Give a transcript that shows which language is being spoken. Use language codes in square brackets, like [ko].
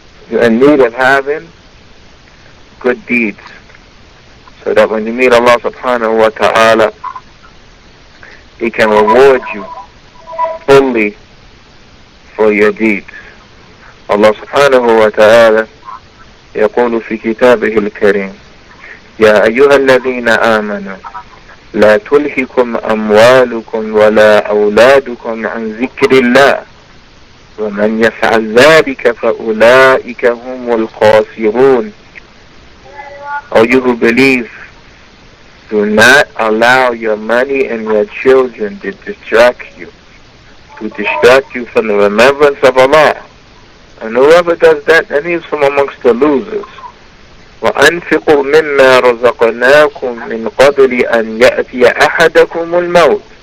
[en] You're in need of having good deeds. So that when you meet Allah subhanahu wa ta'ala, He can reward you fully for your deeds. [ar] Allah subhanahu wa ta'ala يقول في كتابه الكريم يا أيها الذين آمنوا لا تلهكم أموالكم ولا أولادكم عن ذكر الله ومن يفعل ذلك فأولئك هم الخاسرون. [en] Oh, you who believe, do not allow your money and your children to distract you, to distract you from the remembrance of Allah. And whoever does that, then he's from amongst the losers. [ar] وَأَنْفِقُوا مِمَّا رَزَقْنَاكُمْ مِنْ قَبْلِ أَنْ يَأْتِيَ أَحَدَكُمُ الْمَوْتِ.